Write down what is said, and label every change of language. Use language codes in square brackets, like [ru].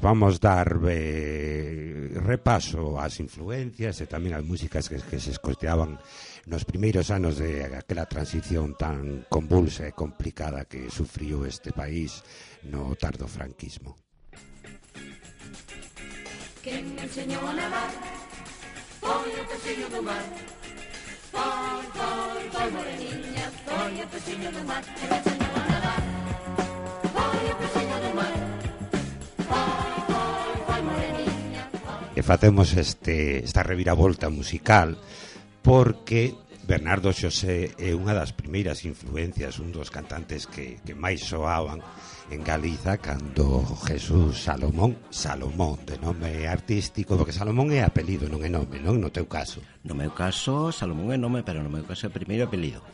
[gl] Vamos dar repaso ás influencias e tamén ás músicas que se escoiteaban nos primeiros anos de aquela transición tan convulsa e complicada que sufriu este país no tardo franquismo. [pt] Quem me enseñou a nadar foi o peixinho do mar. Foi moreninha, foi o peixinho do mar. [gl] E facemos esta reviravolta musical porque Bernardo Xosé é unha das primeiras influencias, un dos cantantes que máis soaban en Galiza cando Jesús Salomón, de nome artístico, porque Salomón é apelido, non é nome, non? No teu caso. No meu caso, Salomón é nome, pero no meu caso é primeiro apelido.